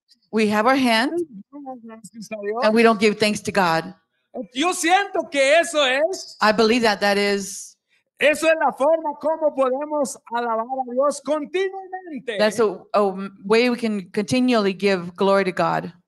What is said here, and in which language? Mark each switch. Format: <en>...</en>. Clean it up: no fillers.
<en>We have our hands, and we don't give thanks to God.</en> <es>Yo siento que eso es.</es> <en>I believe that that is.</en> <es>Eso es la forma como podemos alabar a Dios continuamente.</es> <en>That's a way we can continually give glory to God.</en>